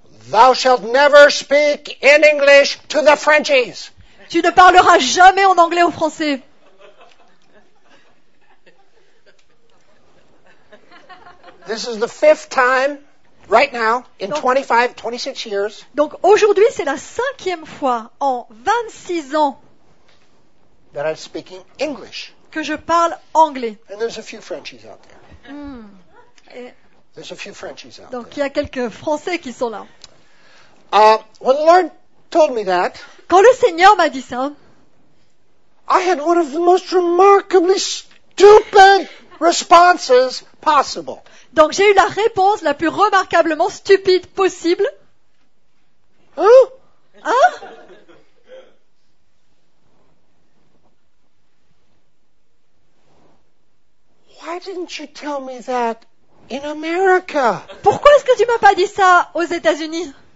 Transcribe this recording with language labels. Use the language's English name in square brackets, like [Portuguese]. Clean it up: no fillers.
[English] Thou shalt never speak in English to the Frenchies. [French] Tu ne parleras jamais en anglais aux Français. [English] This is the fifth time. Right now, in donc, 25, 26 years. [French] Donc aujourd'hui, c'est la cinquième fois en 26 ans [English] that I'm speaking English. [French] Que je parle anglais. [English] And there's a few Frenchies out there. There's a few Frenchies out donc, [French] Donc il y a quelques Français qui sont là. [English] When the Lord told me that, [French] quand le Seigneur m'a dit ça, [English] I had one of the most remarkably stupid responses possible. [French] Donc j'ai eu la réponse la plus remarquablement stupide possible. Hein? Hein? [English] Why didn't you tell me that in America? [French] Pourquoi est-ce que tu m'as pas dit ça aux États-Unis?